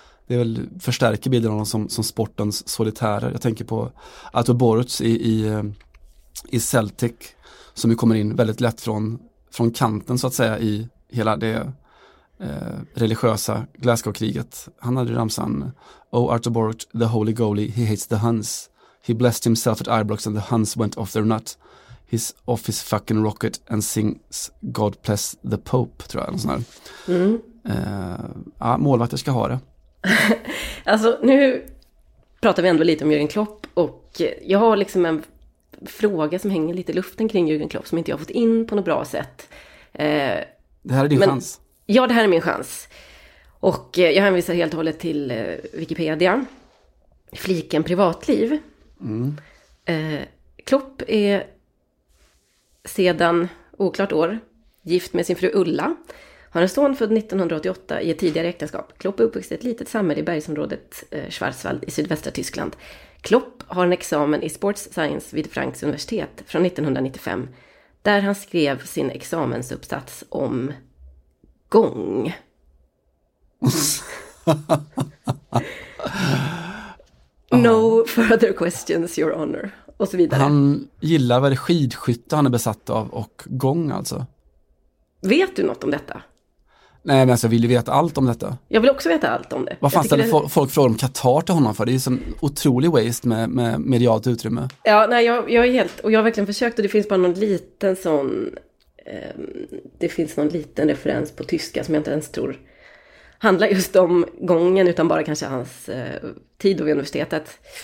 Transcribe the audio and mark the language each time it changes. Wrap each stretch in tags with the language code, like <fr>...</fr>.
<sv>Det är väl förstärker bilden av dem som sportens solitärer. Jag tänker på Arthur Boruts i Celtic, som ju kommer in väldigt lätt från kanten så att säga i hela det religiösa Glasgow-kriget. Han hade ramsan</sv> <en>"Oh, Arthur Boruch, the holy goalie, he hates the Huns. He blessed himself at Ibrox and the Huns went off their nut. He's off his fucking rocket and sings God bless the Pope",</en> <sv>tror jag. Ja, målvakter ska ha det. Alltså, nu pratar vi ändå lite om Jürgen Klopp, och jag har liksom en fråga som hänger lite i luften kring Jürgen Klopp som inte jag har fått in på något bra sätt. Det här är din chans. Ja, det här är min chans. Och jag hänvisar helt och hållet till Wikipedia. Fliken privatliv. Klopp är sedan oklart år gift med sin fru Ulla. Har en son född 1988 i ett tidigare äktenskap. Klopp är uppvuxen i ett litet samhälle i bergsområdet Schwarzwald i sydvästra Tyskland. Klopp har en examen i sports science vid Franks universitet från 1995. Där han skrev sin examensuppsats om gång.</sv> <en>No further questions, your honor.</en> <sv>Och så vidare. Han gillar väl skidskytte han är besatt av, och gång alltså. Vet du något om detta? Nej, men alltså, jag vill ju veta allt om detta. Jag vill också veta allt om det. Vad fan ställer folk frågar om Katar till honom för? Det är ju som otrolig waste med medialt utrymme. Ja, nej, jag är helt, och jag har verkligen försökt, och det finns bara någon liten sån, det finns någon liten referens på tyska som jag inte ens tror handlar just om gången, utan bara kanske hans tid vid universitetet.</sv>